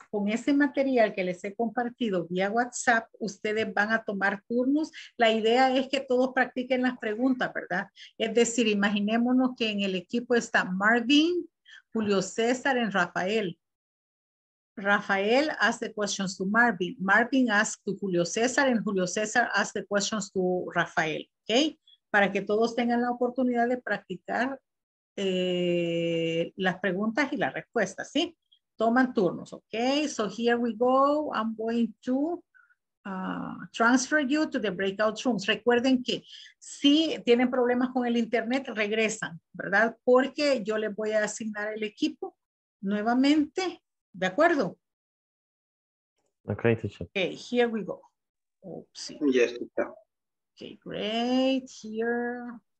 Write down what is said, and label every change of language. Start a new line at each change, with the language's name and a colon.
Spanish: Con ese material que les he compartido vía WhatsApp, ustedes van a tomar turnos. La idea es que todos practiquen las preguntas, ¿verdad? Es decir, imaginémonos que en el equipo está Marvin, Julio César y Rafael.
English: Rafael asks the questions to Marvin. Marvin asks to Julio César and Julio César asks the questions to Rafael. Okay?
Spanish: Para que todos tengan la oportunidad de practicar las preguntas y las respuestas, ¿sí? Toman turnos,
English: okay? So here we go. I'm going to transfer you to the breakout rooms.
Spanish: Recuerden que si tienen problemas con el internet, regresan, ¿verdad? Porque yo les voy a asignar el equipo nuevamente. ¿De acuerdo?
English: Okay, teacher. Okay, here we go. Oopsie. Yes, teacher. Okay, great. Here.